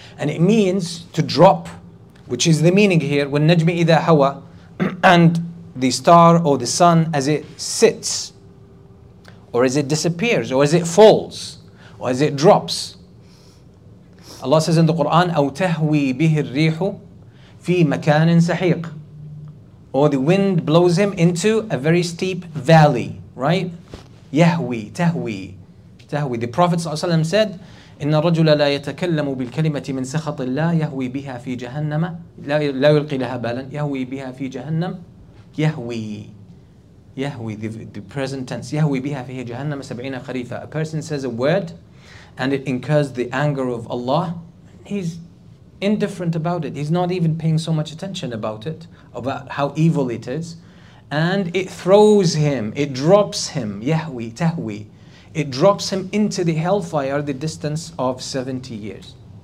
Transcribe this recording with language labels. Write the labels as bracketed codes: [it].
[en] And it means to drop, which is the meaning here, when najmi idha hawa, and the star or the sun as it sits, or as it disappears, or as it falls, or as it drops. Allah says in the Quran, [ar] أَوْ تَهْوِي بِهِ الرِّيحُ فِي مَكَانٍ سَحِيقٍ. [en] Or the wind blows him into a very steep valley, right? [ar] يهوي تهوي تهوي. The Prophet صلى الله عليه وسلم said, إن الرجل لا يتكلم بالكلمة من سخط الله يهوي بها في جهنم لا يلقي لها بالا يهوي بها في جهنم يهوي يهوي [en] the present tense [ar] يهوي بها في جهنم 70 خريفة. [en] A person says a word and it incurs the anger of Allah, he's indifferent about it, he's not even paying so much attention about it, about how evil it is, and it throws him, it drops him, yahwi tahwi, it drops him into the hellfire the distance of 70 years.